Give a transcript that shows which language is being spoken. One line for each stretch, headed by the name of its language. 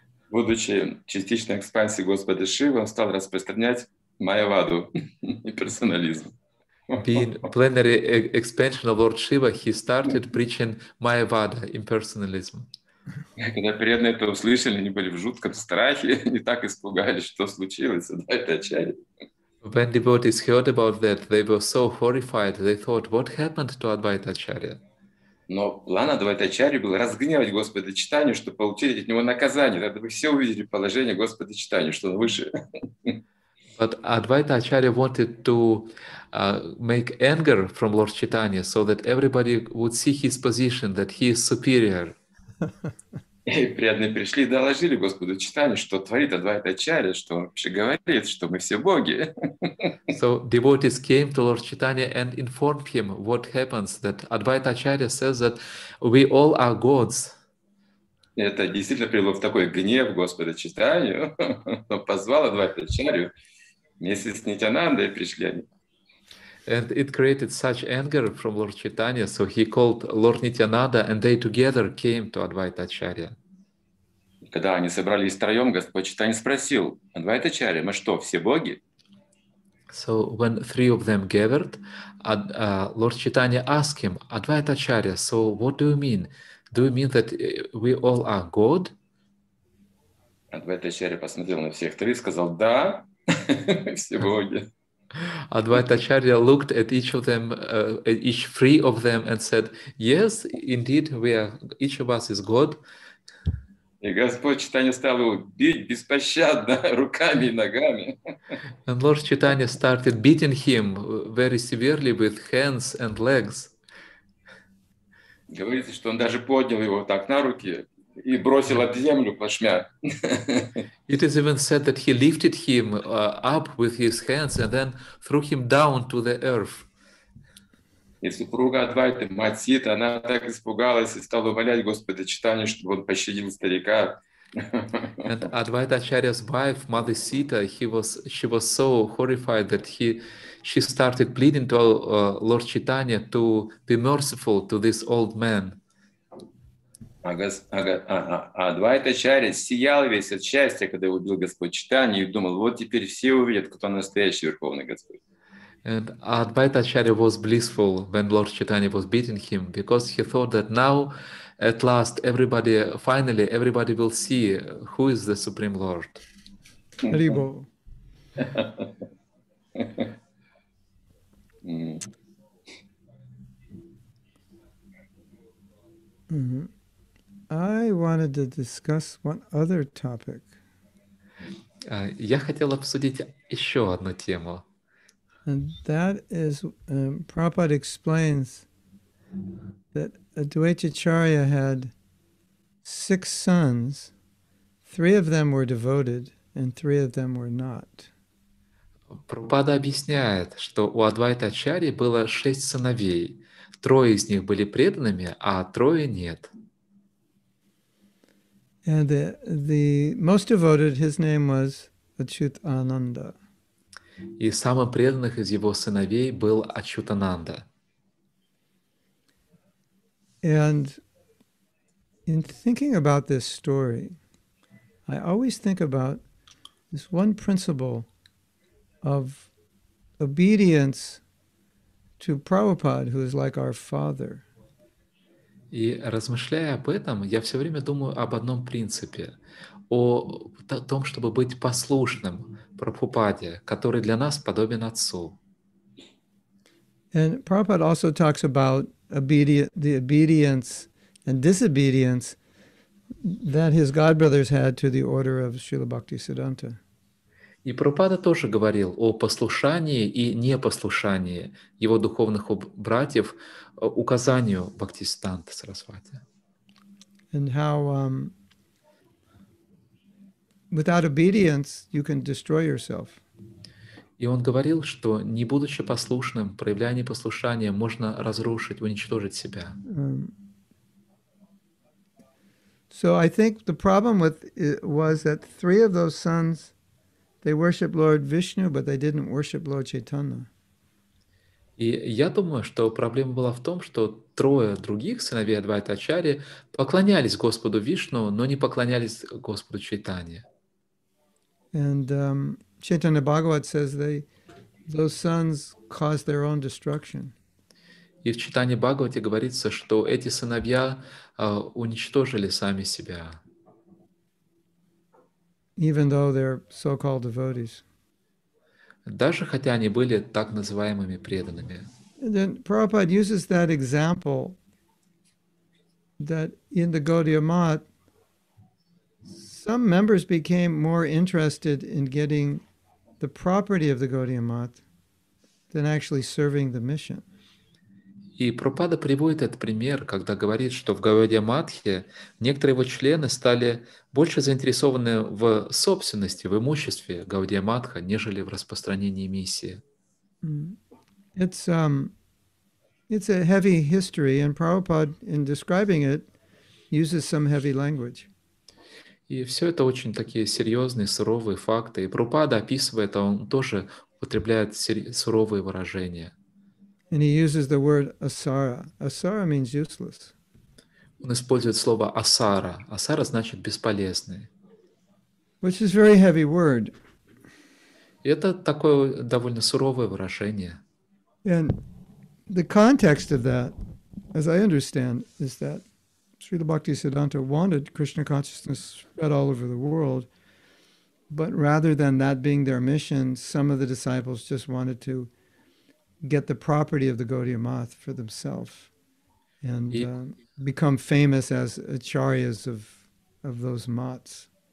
Russian: Будучи частичной экспансией Господа Шивы, он стал распространять майяваду и персонализм.
English: Being plenary expansion of Lord Shiva, he started preaching Mayavada, impersonalism.
Russian: Когда преданные это услышали, они были в жутком страхе, они так испугались, что случилось, Advaita Acharya.
English: When devotees heard about that, they were so horrified, they thought, what happened to Advaita Acharya?
Russian: Но план Advaita Acharya был разгневать Господа Читанию, чтобы получить от него наказание. Тогда бы все увидели положение Господа Читанию, что он выше.
English: But Advaita Acharya wanted to make anger from Lord Chaitanya so that everybody would see his position, that he is superior.
Russian: И преданные пришли и доложили Господу Читанию, что творит Advaita Acharya, что вообще говорит, что мы все боги.
English: So devotees came to Lord Chaitanya and informed him what happens, that Advaita Acharya says that we all are gods.
Russian: Это действительно привело в такой гнев Господа Читанию, но позвал Advaita Acharya вместе с Нитянандой пришли они.
English: And it created such anger from Lord Chaitanya, so he called Lord Nityananda, and they together came to Advaita Acharya.
Russian: Когда они собрались втроем, Господь Читанья спросил, Advaita Acharya, мы что, все боги?
English: So when three of them gathered, Lord Chaitanya asked him, Advaita Acharya, so what do you mean? Do you mean that we all are God?
Russian: Advaita Acharya посмотрел на всех трех и сказал, да, все боги.
English: Advaita Acharya looked at each of them, at each three of them, and said, "Yes, indeed, we are. Each of us is God."
Russian: И Господь Читанья стал его бить беспощадно руками и ногами.
English: And Lord Chaitanya started beating him very severely with hands and legs.
Russian: Говорится, что он даже поднял его так на руки и бросил об землю плашмя.
English: It is even said that he lifted him up with his hands and then threw him down to the earth.
Russian: И супруга Адвайты, мать Сита, она так испугалась и стала умолять Господа Читанию, чтобы он пощадил старика.
English: And Advaita Acharya's wife, Mother Sita, she was so horrified that she started pleading to Lord Chaitanya to be merciful to this old man.
Russian: А Адвайта Ачарья сиял весь от счастья, когда его убил Господь Читанья, и думал, вот теперь все увидят, кто настоящий Верховный Господь.
English: And Advaita Acharya was blissful when Lord Chaitanya was beating him, because he thought that now, at last, everybody will see who is the Supreme Lord. Рибо. I wanted to discuss one other topic.
Russian: Я хотел обсудить еще одну тему.
English: And that is, Prabhupada explains that Advaita Acharya had six sons. Three of them were devoted, and three of them were not.
Russian: Prabhupada объясняет, что у Адвайта Ачарьи было шесть сыновей. Трое из них были преданными, а трое нет.
English: And the most devoted, his name was Achyut Ananda.
Russian: И самым преданных из его сыновей был Ачют Ананда.
English: And in thinking about this story, I always think about this one principle of obedience to Prabhupada, who is like our father.
Russian: И размышляя об этом, я все время думаю об одном принципе, о том, чтобы быть послушным Прабхупаде, который для нас подобен Отцу.
English: And Prabhupada also talks about the obedience and disobedience that his godbrothers had to the order of Srila Bhaktisiddhanta.
Russian: И Прабхупада тоже говорил о послушании и непослушании его духовных братьев указанию Бхактисиддханты Сарасвати.
English: And how without obedience you can destroy yourself.
Russian: И он говорил, что не будучи послушным, проявляя непослушание, можно разрушить, уничтожить себя.
English: So I think the problem with it was that three of those sons, they worship Lord Vishnu, but they didn't worship Lord Chaitanya.
Russian: И я думаю, что проблема была в том, что трое других сыновей Адвайты Ачарьи поклонялись Господу Вишну, но не поклонялись Господу Чайтанье.
English: And Chaitanya Bhagavat says they, those sons caused their own destruction.
Russian: И в Чайтанье Бхагавате говорится, что эти сыновья уничтожили сами себя.
English: Even though they're so-called devotees.
Russian: Даже хотя они были так называемыми преданными.
English: And then Prabhupada uses that example that in the Gaudiya Mat some members became more interested in getting the property of the Gaudiya Mat than actually serving the mission.
Russian: И Прабхупада приводит этот пример, когда говорит, что в Гаудия Матхе некоторые его члены стали больше заинтересованы в собственности, в имуществе Гаудия Матха, нежели в распространении миссии.
English: It's a heavy history, and Prabhupada, in describing it, uses some heavy language.
Russian: И все это очень такие серьезные, суровые факты. И Прабхупада описывает, а он тоже употребляет суровые выражения.
English: And he uses the word asara. Asara means useless.
Russian: Он использует слово асара. Асара значит бесполезный.
English: Which is a very heavy word.
Russian: Это такое довольно суровое выражение.
English: And the context of that, as I understand, is that Srila Bhaktisiddhanta wanted Krishna consciousness spread all over the world, but rather than that being their mission, some of the disciples just wanted to get the property of the Gaudiya Math for themselves and become famous as acharyas of those maths.